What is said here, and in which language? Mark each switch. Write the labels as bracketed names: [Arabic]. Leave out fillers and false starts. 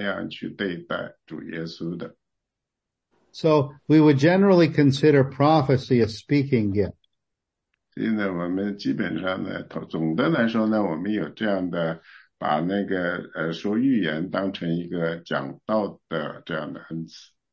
[Chinese] 所以从一个方面说呢，就是说呢，我可以告诉你，你在将来你要在哪里度过，就是预测你是基于你怎么样去对待主耶稣的。 [English] So we would generally consider prophecy a speaking gift. [Chinese] 现在我们基本上呢，总的来说呢，我们有这样的把那个说预言当成一个讲道的这样的恩赐。